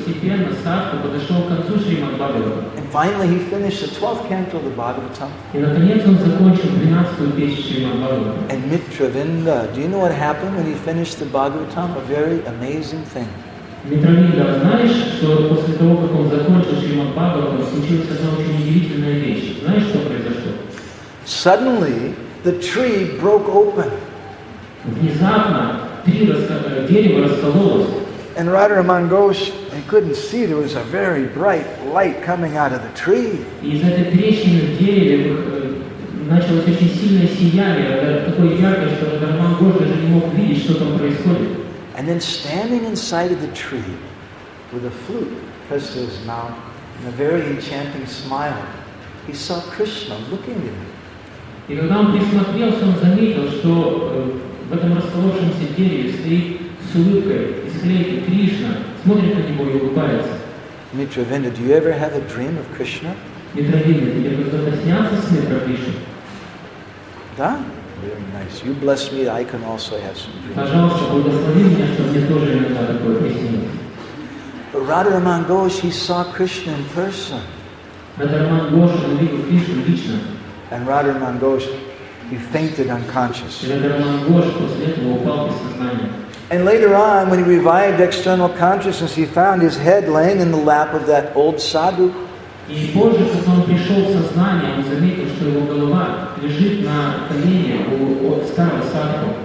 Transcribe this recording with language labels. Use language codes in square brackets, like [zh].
[en] And finally he finished the 12th canto of the Bhagavatam. And Mitravinda, do you know what happened when he finished the Bhagavatam? A very amazing thing. [ru] Mitravinda, знаешь, что после того, как он закончил Шримад Бхагаватам, случилась одна очень удивительная вещь. Знаешь, что произошло? [en] Suddenly, the tree broke open. And Radharaman Ghosh, he couldn't see, there was a very bright light coming out of the tree. And then standing inside of the tree with a flute pressed to his mouth and a very enchanting smile, he saw Krishna looking at him. [ru] И когда он присмотрелся, он заметил, что в этом расположенном дереве стоит с улыбкой и с смотрит Кришна, смотрит на него и улыбается. [en] Митравинда, do you ever have a dream of Krishna? [ru] Митравинда, тебе кто-то снялся сны про Кришну? [en] Да? Very nice. You bless me, I can also have some dreams. [ru] Пожалуйста, благослови меня, чтобы мне тоже иногда такое приснилось. [en] But Radharaman Ghosh, he saw Krishna in person. [ru] Radharaman Ghosh увидел Кришну лично. [en] And Radharaman Ghosh, he fainted unconscious. [ru] Радхараман Гош после этого упал без сознания. [en] And later on, when he revived external consciousness, he found his head laying in the lap of that old sadhu. [ru] И позже, когда он пришел в сознание, он заметил, что его голова лежит на коленях у старого садху.